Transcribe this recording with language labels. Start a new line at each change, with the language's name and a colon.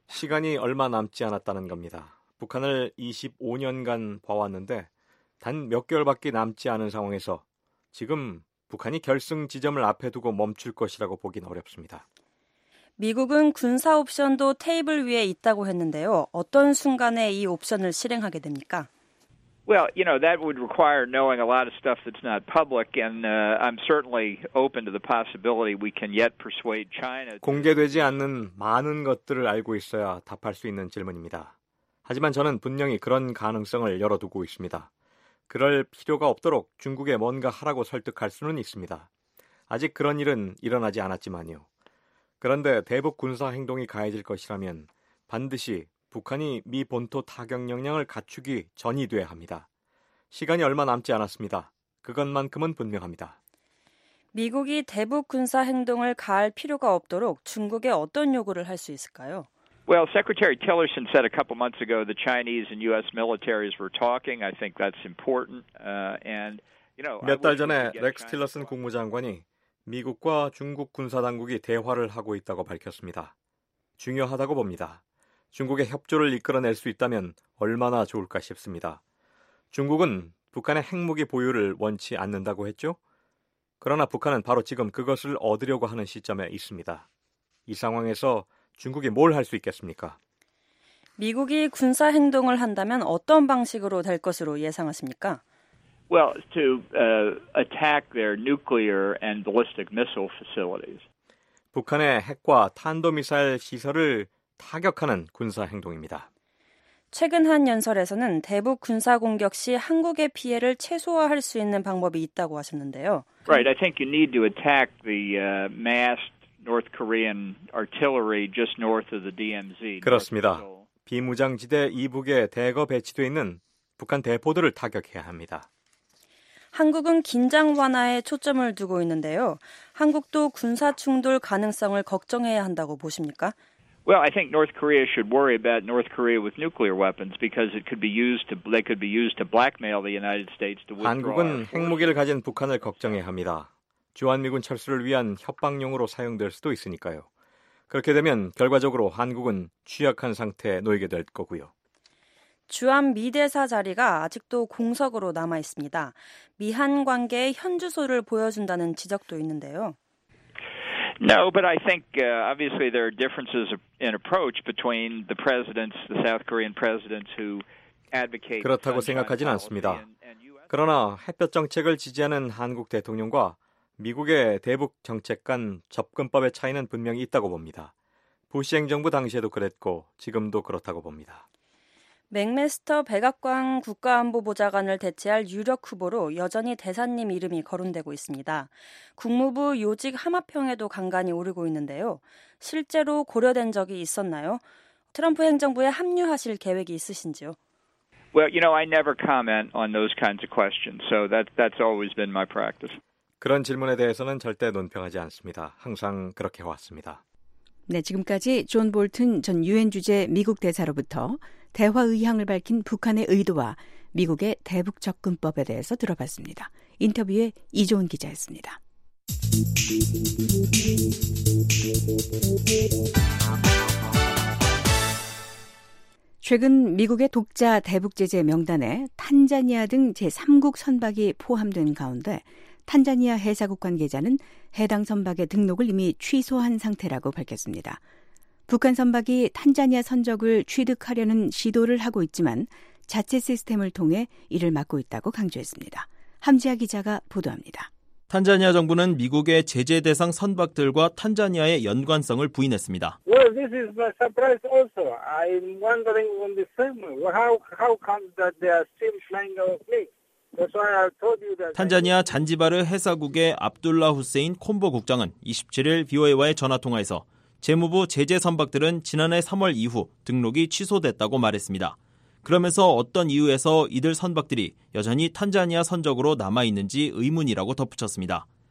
Korean: 시간이 얼마 남지 않았다는 겁니다. 북한을 25년간 봐왔는데 단 몇 개월밖에 남지 않은 상황에서 지금 북한이 결승 지점을 앞에 두고 멈출 것이라고 보긴 어렵습니다. 미국은 군사 옵션도 테이블 위에 있다고 했는데요. 어떤 순간에 이 옵션을 실행하게 됩니까?
English: Well, you know, that would require knowing a lot of stuff that's not public, and I'm certainly open to the possibility we can yet persuade China.
Korean: 공개되지 않는 많은 것들을 알고 있어야 답할 수 있는 질문입니다. 하지만 저는 분명히 그런 가능성을 열어두고 있습니다. 그럴 필요가 없도록 중국에 뭔가 하라고 설득할 수는 있습니다. 아직 그런 일은 일어나지 않았지만요. 그런데 대북 군사 행동이 가해질 것이라면 반드시 북한이 미 본토 타격 역량을 갖추기 전이 돼야 합니다. 시간이 얼마 남지 않았습니다. 그것만큼은 분명합니다. 미국이 대북 군사 행동을 가할 필요가 없도록 중국에 어떤 요구를 할 수 있을까요?
English: Well, Secretary Tillerson said a couple months ago the Chinese and U.S. militaries were talking. I think that's important. And you know,
Korean: 몇 달 전에 렉스 틸러슨 국무장관이 미국과 중국 군사당국이 대화를 하고 있다고 밝혔습니다. 중요하다고 봅니다. 중국의 협조를 이끌어낼 수 있다면 얼마나 좋을까 싶습니다. 중국은 북한의 핵무기 보유를 원치 않는다고 했죠? 그러나 북한은 바로 지금 그것을 얻으려고 하는 시점에 있습니다. 이 상황에서 중국이 뭘 할 수 있겠습니까? 미국이 군사 행동을 한다면 어떤 방식으로 될 것으로 예상하십니까?
English: Well, to attack their nuclear and ballistic missile facilities.
Korean: 북한의 핵과 탄도미사일 시설을 타격하는 군사 행동입니다. 최근 한 연설에서는 대북 군사 공격 시 한국의 피해를 최소화할 수 있는 방법이 있다고 하셨는데요.
English: Right, I think you need to attack the massed North Korean artillery just north of the DMZ.
Korean: 그렇습니다. 비무장지대 이북에 대거 배치돼 있는 북한 대포들을 타격해야 합니다. 한국은 긴장 완화에 초점을 두고 있는데요. 한국도 군사 충돌 가능성을 걱정해야 한다고 보십니까?
English: Well, I think North Korea should worry about North Korea with nuclear weapons because it could be used to they could be used to blackmail the United States to withdraw.
Korean: 한국은 핵무기를 가진 북한을 걱정해야 합니다. 주한미군 철수를 위한 협박용으로 사용될 수도 있으니까요. 그렇게 되면 결과적으로 한국은 취약한 상태에 놓이게 될 거고요. 주한 미대사 자리가 아직도 공석으로 남아 있습니다. 미한 관계의 현주소를 보여준다는 지적도 있는데요.
English: No, but I think obviously there are differences in approach between the presidents, the South Korean presidents who advocate.
Korean: 그렇다고 생각하진 않습니다. 그러나 햇볕 정책을 지지하는 한국 대통령과 미국의 대북 정책 간 접근법의 차이는 분명히 있다고 봅니다. 부시 행정부 당시에도 그랬고 지금도 그렇다고 봅니다. 맥메스터 백악관 국가안보보좌관을 대체할 유력 후보로 여전히 대사님 이름이 거론되고 있습니다. 국무부 요직 함합형에도 간간이 오르고 있는데요. 실제로 고려된 적이 있었나요? 트럼프 행정부에 합류하실 계획이 있으신지요?
English: Well, you know, I never comment on those kinds of questions. So that's always been my practice.
Korean: 그런 질문에 대해서는 절대 논평하지 않습니다. 항상 그렇게 해왔습니다. 네, 지금까지 존 볼튼 전 유엔 주재 미국 대사로부터 대화 의향을 밝힌 북한의 의도와 미국의 대북 접근법에 대해서 들어봤습니다. 인터뷰에 이종훈 기자였습니다. 최근 미국의 독자 대북 제재 명단에 탄자니아 등 제3국 선박이 포함된 가운데 탄자니아 해사국 관계자는 해당 선박의 등록을 이미 취소한 상태라고 밝혔습니다. 북한 선박이 탄자니아 선적을 취득하려는 시도를 하고 있지만 자체 시스템을 통해 이를 막고 있다고 강조했습니다. 함지아 기자가 보도합니다. 탄자니아 정부는 미국의 제재 대상 선박들과 탄자니아의 연관성을 부인했습니다.
English: Well, this is my surprise also. I'm wondering on the same. How come that they are still flying over me?
Korean: 탄자니아 잔지바르 해사국의 압둘라 후세인 콤보 국장은 27일 VOA와의 전화통화에서 재무부 제재 선박들은 지난해 3월 이후 등록이 취소됐다고 말했습니다. 그러면서 어떤 이유에서 이들 선박들이 여전히 탄자니아 선적으로 남아있는지 의문이라고 덧붙였습니다.